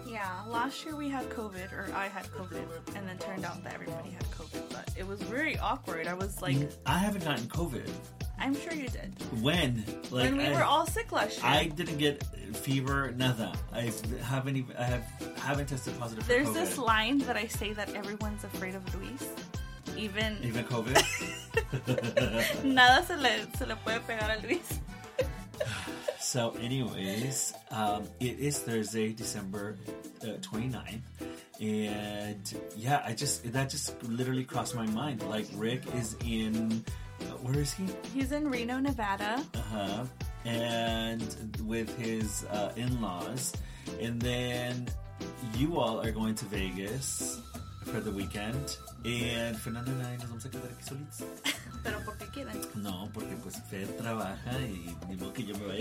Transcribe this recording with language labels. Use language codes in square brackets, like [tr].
[en] Yeah, last year we had COVID, or I had COVID, and then turned out that everybody had COVID, but it was very awkward. I was like... I haven't gotten COVID. I'm sure you did. When? Like, when we were all sick last year. I didn't get fever, nada. I haven't tested positive for COVID. There's this line that I say that everyone's afraid of Luis. Even COVID? [es] Nada se le puede pegar a Luis. [en] So anyways, it is Thursday, December 29th, and yeah, that just literally crossed my mind. Like, Rick is in, where is he? He's in Reno, Nevada. Uh-huh, and with his in-laws, and then you all are going to Vegas for the weekend, and Fernando and I [es] nos vamos a quedar aquí solitos. Pero ¿por qué quieren? No, porque pues Fer trabaja y ni modo que yo me vaya.